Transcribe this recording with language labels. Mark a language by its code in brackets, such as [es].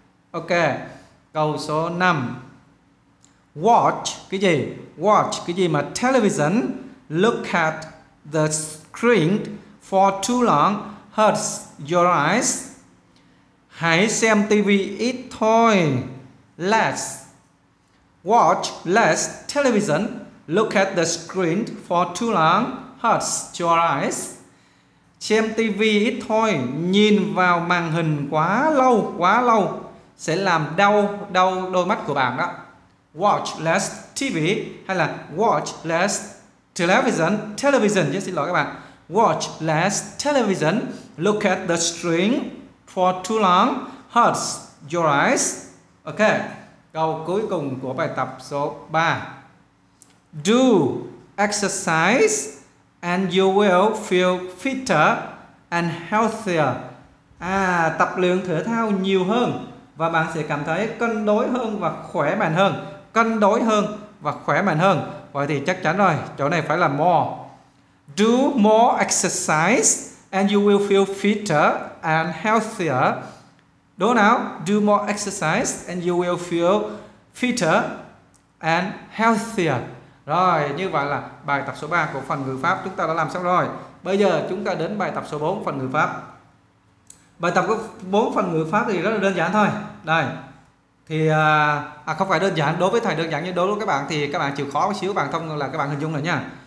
[en] Ok, [vi] câu số 5. [en] Watch [vi] cái gì mà [en] television, look at the screen for too long hurts your eyes. [vi] Hãy xem TV ít thôi. Less. [en] Watch less television, look at the screen for too long hurts your eyes. [vi] Xem TV ít thôi, nhìn vào màn hình quá lâu sẽ làm đau đôi mắt của bạn đó. [en] watch less TV [vi] hay là [en] watch less television. [vi] Television, xin lỗi các bạn. [en] Watch less television. Look at the screen for too long hurts your eyes. [vi] Ok, câu cuối cùng của bài tập số 3. [en] Do exercise and you will feel fitter and healthier. [vi] À, tập luyện thể thao nhiều hơn và bạn sẽ cảm thấy cân đối hơn và khỏe mạnh hơn. Cân đối hơn và khỏe mạnh hơn. Vậy thì chắc chắn rồi, chỗ này phải là more. [en] Do more exercise and you will feel fitter and healthier. [vi] Đố nào? [en] Do more exercise and you will feel fitter and healthier. [vi] Rồi, như vậy là bài tập số 3 của phần ngữ pháp chúng ta đã làm xong rồi. Bây giờ chúng ta đến bài tập số 4 phần ngữ pháp. Bài tập 4 phần ngữ pháp thì rất là đơn giản thôi. Đây. Thì không phải đơn giản, đối với thầy đơn giản, nhưng đối với các bạn thì các bạn chịu khó một xíu, bạn thông là các bạn hình dung rồi nha.